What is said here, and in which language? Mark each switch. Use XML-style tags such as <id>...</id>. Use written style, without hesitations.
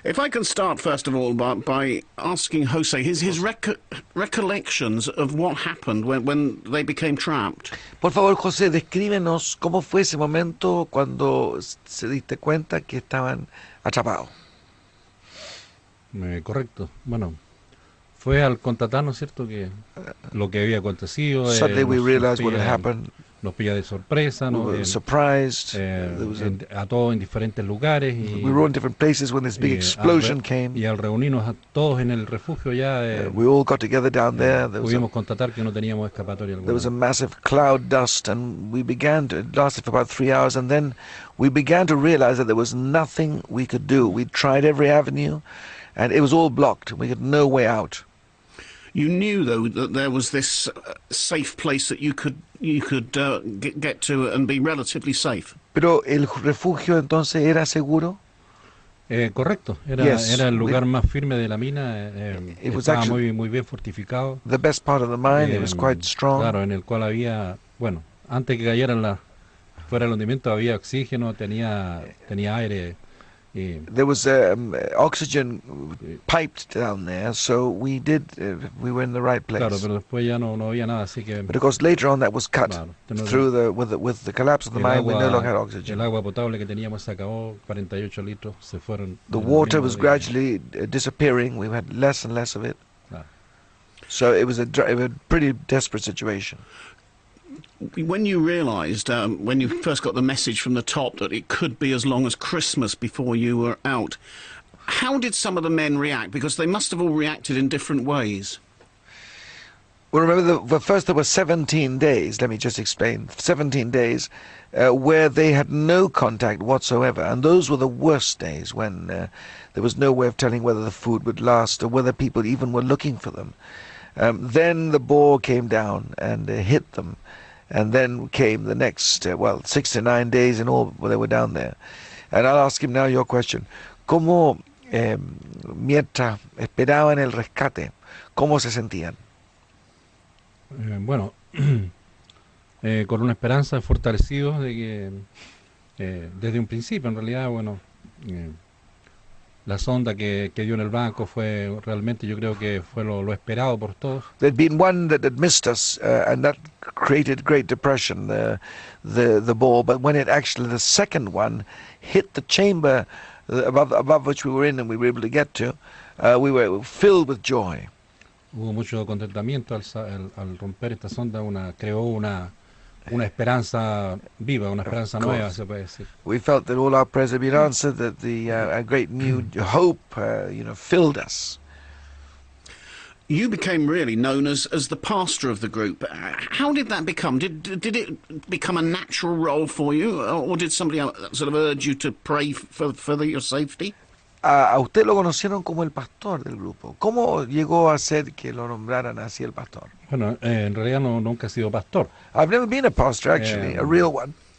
<en>If I can start, first of all, by asking Jose his recollections of what happened when they became trapped.</en> <es>Por favor, José, descríbenos cómo fue ese momento cuando se diste cuenta que estaban atrapados. Correcto. Bueno, fue al contatarnos, ¿cierto? Que lo que había acontecido.</es> <en>Suddenly we realized what had happened.</en> <es>Nos pilla de sorpresa, ¿no?</es> <en>We were surprised.</en> <es>A todos en diferentes lugares. Y,</es> <en>we were in different places when this big explosion came.</en> <es>Y al reunirnos a todos en el refugio ya.</es> <en>We all got together down there. There</en> <es>pudimos constatar que no teníamos escapatoria alguna.</es> <en>There was a massive cloud dust, and we began to. It lasted for about 3 hours, and then we began to realize that there was nothing we could do. We tried every avenue, and it was all blocked. We had no way out. You knew, though, that there was this safe place that you could get to and be relatively safe.</en> <es>Pero el refugio entonces era seguro. Correcto. Era,</es> <en>yes,</en> <es>era el lugar más firme de la mina.</es> <en>It</en> <es>estaba</es> <en>was</en> <es>muy muy bien fortificado.</es> <en>The best part of the mine. It was quite strong.</en> <es>Claro, en el cual había, bueno, antes que cayeran la fuera el hundimiento había oxígeno, tenía aire.</es> <en>There was oxygen piped down there, so we did. We were in the right place.</en> <es>Claro, pero después ya no había nada, así que.</es> <en>But of course, later on, that was cut through with the collapse of the mine.</en> <es>Agua,</es> <en>we no longer had oxygen.</en> <es>El agua potable que teníamos se acabó. 48 litros se fueron.</es> <en>The water was gradually disappearing. We had less and less of it. So it was a pretty desperate situation. When you realized, when you first got the message from the top that it could be as long as Christmas before you were out, how did some of the men react? Because they must have all reacted in different ways. Well, remember, first there were 17 days, let me just explain, 17 days where they had no contact whatsoever. And those were the worst days when there was no way of telling whether the food would last or whether people even were looking for them. Then the boar came down and hit them. And then came the next, 6 to 9 days in all when they were down there. And I'll ask him now your question.</en> <es>¿Cómo, mientras esperaban el rescate, cómo se sentían? Bueno, con una esperanza fortalecida de que, desde un principio, en realidad, bueno, la sonda que dio en el banco fue realmente, yo creo que fue lo esperado por todos.</es> <en>There'd been one that had missed us, and that created great depression, the ball. But when it actually, the second one, hit the chamber above which we were in and we were able to get to, we were filled with joy.</en> <es>Hubo mucho contentamiento al romper esta sonda, creó una esperanza viva, una esperanza nueva, se puede decir.</es> <en>We felt that all our prayers had been answered, that the a great new hope, filled us. You became really known as the pastor of the group. How did that become? Did it become a natural role for you, or did somebody else sort of urge you to pray for your safety?</en> <es>A usted lo conocieron como el pastor del grupo. ¿Cómo llegó a ser que lo nombraran así el pastor? Bueno, en realidad nunca he sido pastor.</es> <en>I've never been a pastor, actually, a real one.</en>